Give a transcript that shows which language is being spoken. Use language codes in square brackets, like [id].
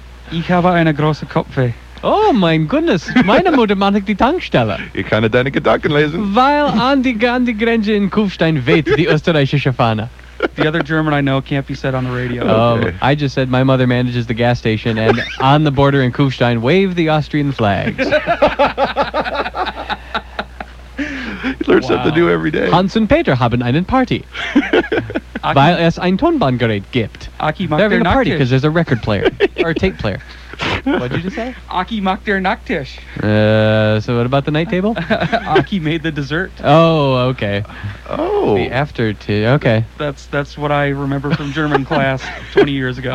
[de] Ich habe eine große Kopfweh. [en] Oh, mein goodness. [de] Meine Mutter macht die Tankstelle. Ich kann deine Gedanken lesen. Weil an die Grenze in Kufstein weht die österreichische Fahne. [en] The other German I know can't be said on the radio. I just said my mother manages the gas station and on the border in Kufstein wave the Austrian flags. You learn something new every day. [de] Hans und Peter haben einen Party. Weil es ein Tonbandgerät gibt. [en] They're having a party because there's a record player or a tape player. What did you just say? [de] Aki mach der Nachtisch. [en] So what about the night table? Aki made the dessert. Oh, okay. Oh. The after tea. Okay. That's what I remember from German class 20 years ago.